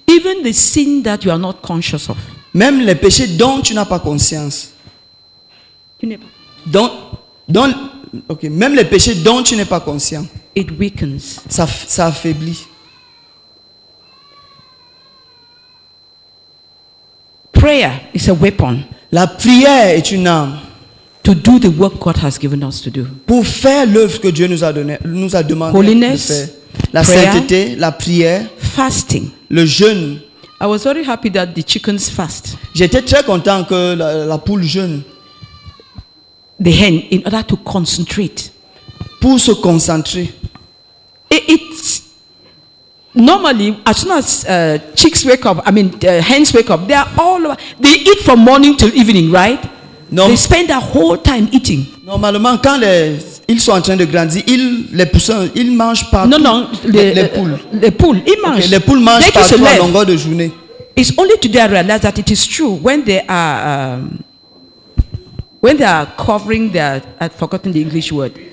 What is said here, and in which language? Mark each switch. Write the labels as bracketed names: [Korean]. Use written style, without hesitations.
[English] Even the sin that you are not conscious of. [French] Même les péchés dont tu n'as pas conscience. Tu n'es pas. Même les péchés dont tu n'es pas conscient. [English] It weakens. [French] Ça affaiblit. [English] Prayer is a weapon. [French] La prière est une arme. [English] To do the work God has given us to do. [French] Pour faire l'œuvre que Dieu nous a demandé. [English] Holiness, [French] de faire. La prayer, sainteté, la prière. [English] Fasting. [French] Le jeûne. [English] I was very happy that the chickens fast. [French] J'étais très content que la poule jeûne. [English] The hen, in order to concentrate. [French] Pour se concentrer. [English] Normally, as soon as hens wake up, they are all over. They eat from morning till evening, right? [French] Non. [English] They spend their whole time eating. [French] Normalement, quand ils sont en train de grandir, les poussins, ils mangent partout. Non, les poules. Les poules, ils mangent. Okay, les poules mangent dès partout à longueur de journée. [English] It's only today I realize that it is true when they are covering their, I've forgotten the English word.